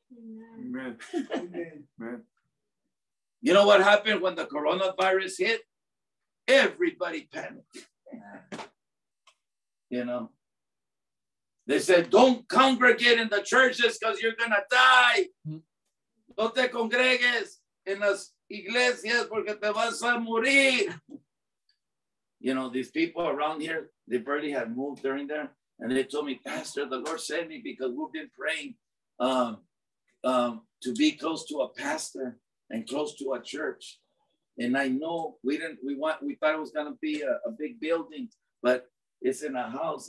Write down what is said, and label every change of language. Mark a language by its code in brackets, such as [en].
[en] Amen. Amen. You know what happened when the coronavirus hit? Everybody panicked. You know? They said, don't congregate in the churches because you're going to die. [es] No te congregues en las iglesias porque te vas a morir. [en] You know, these people around here, they barely had moved during there. And they told me, Pastor, the Lord sent me because we've been praying to be close to a pastor and close to a church. And I know we thought it was going to be a big building, but it's in a house.